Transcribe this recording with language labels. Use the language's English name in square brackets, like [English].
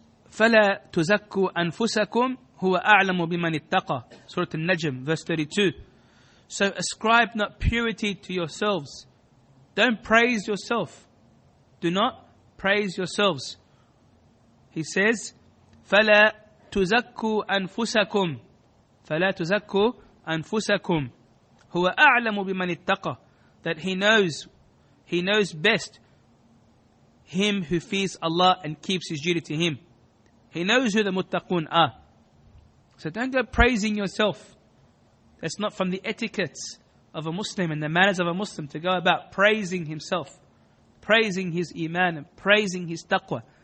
[Arabic] فَلَا تُزَكُّوا أَنفُسَكُمْ هُوَ أَعْلَمُ بِمَنِ اتَّقَى. [English] Surah al-Najm, verse 32. So ascribe not purity to yourselves. Don't praise yourself. Do not praise yourselves. He says, [Arabic] فَلَا تُزَكُّوا أَنفُسَكُمْ فَلَا تُزَكُّوا أَنفُسَكُمْ هُوَ أَعْلَمُ بِمَنِ اتَّقَى. [English] That he knows best him who fears Allah and keeps his duty to him. He knows who the muttaqun are. So don't go praising yourself. That's not from the etiquettes of a Muslim and the manners of a Muslim, to go about praising himself, praising his iman and praising his taqwa.